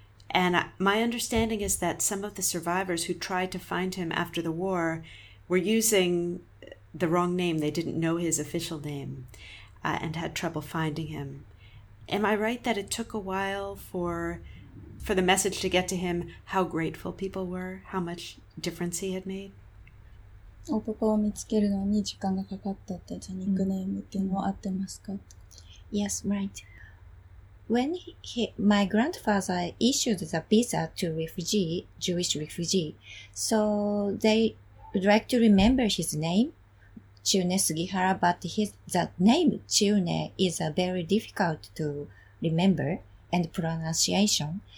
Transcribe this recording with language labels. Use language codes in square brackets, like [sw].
[en] And my understanding is that some of the survivors who tried to find him after the war were using the wrong name. They didn't know his official name and had trouble finding him. Am I right that it took a while for the message to get to him, how grateful people were, how much difference he had made? [ja] お父さんを見つけるのに時間がかかったって、じゃあニックネームっていうのは合ってますか？ [en] Yes, right. When my grandfather issued the visa to Jewish refugee, so they would like to remember his name, Chiune Sugihara, but that name, Chiune, is very difficult to remember and pronunciation.